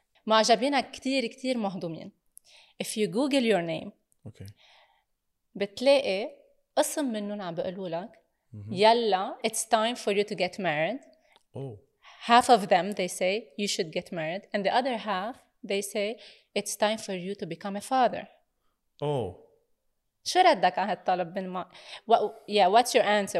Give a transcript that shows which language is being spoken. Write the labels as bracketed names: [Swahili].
[Arabic] معجبينك كتير كتير مهضومين. [English] If you Google your name Okay. [Arabic] بتلاقي قسم منهم عم بيقولوا لك يلا [English] it's time for you to get married. Oh. Half of them they say you should get married and the other half they say it's time for you to become a father. Oh. [Arabic] شو ردك على هالطلب من ما [English] yeah, what's your answer?